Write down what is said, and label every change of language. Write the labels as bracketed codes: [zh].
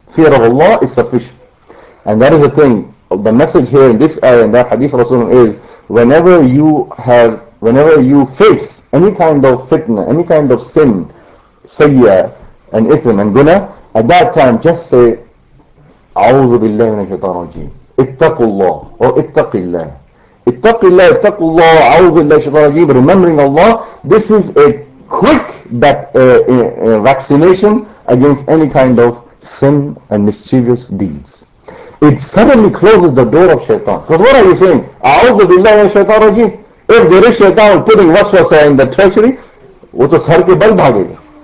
[en] Fear of Allah is sufficient. And that is the thing. The message here in this ayah and that hadith Rasulullah is, whenever you face any kind of fitna, any kind of sin, sayyah, and ithm and guna, at that time just say [ar] أعوذ بالله من الشيطان الرجيم. اتقوا الله or اتق الله. اتق الله, اتق الله, أعوذ بالله من الشيطان الرجيم. [en] Remembering Allah, this is a quick vaccination against any kind of sin and mischievous deeds. it suddenly closes the door of shaitan. Because what are you saying? A'udhu billahi min shaitan rajim. If there is shaitan putting waswasa in the treasury, [hi] wo to sar ke bal bhagega.